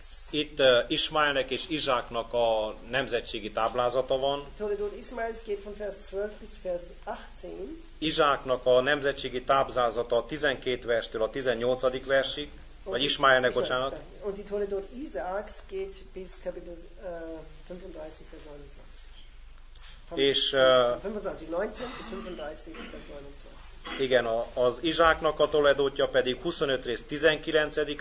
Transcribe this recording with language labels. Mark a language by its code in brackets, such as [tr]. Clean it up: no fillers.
[hu] Itt Ismáelnek és Izsáknak a nemzetségi táblázata van. [de] Toledot Ismaels geht von Vers 12 bis Vers 18. [hu] Izsáknak a nemzetségi táblázata 12 verstől a 18. versig, vagy Ismáelnek, bocsánat. [de] Und die Toledot Isaaks geht bis Kapitel 35 Vers 29. [hu] És 25, 19-35, 29. Igen, az Izsáknak a toledótja pedig 25 rész 19.